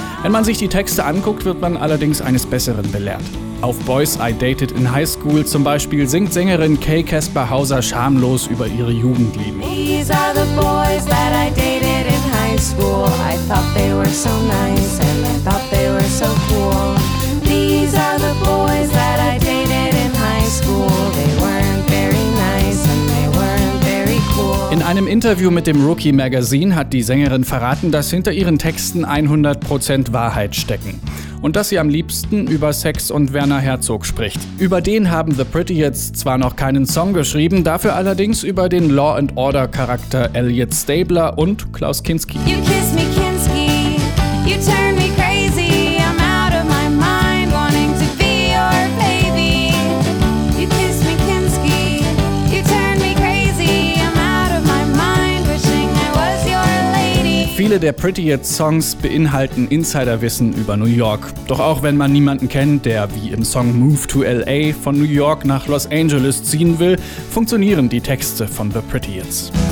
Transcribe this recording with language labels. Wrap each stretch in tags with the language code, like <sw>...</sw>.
<de>Wenn man sich die Texte anguckt, wird man allerdings eines Besseren belehrt. Auf Boys I Dated in High School zum Beispiel singt Sängerin Kay Casper Hauser schamlos über ihre Jugendlieben.</de> <en>These are the boys that I dated in high school. I thought they were so nice and I thought they were so cool. These are the boys that I dated in high school. They weren't very nice and they weren't very cool.</en> <de>In einem Interview mit dem Rookie Magazine hat die Sängerin verraten, dass hinter ihren Texten 100% Wahrheit stecken. Und dass sie am liebsten über Sex und Werner Herzog spricht. Über den haben The Prettiers zwar noch keinen Song geschrieben, dafür allerdings über den Law and Order Charakter Elliot Stabler und Klaus Kinski.</de> <en>You kiss me, Kinski. You turn me crazy. I'm out of my mind, wanting to be your baby. You kiss me, Kinski. You turn me crazy. I'm out of my mind, wishing I was your lady.</en> <de>Viele der Prettiers Songs beinhalten Insiderwissen über New York. Doch auch wenn man niemanden kennt, der wie im Song Move to LA von New York nach Los Angeles ziehen will, funktionieren die Texte von The Prettiers.</de>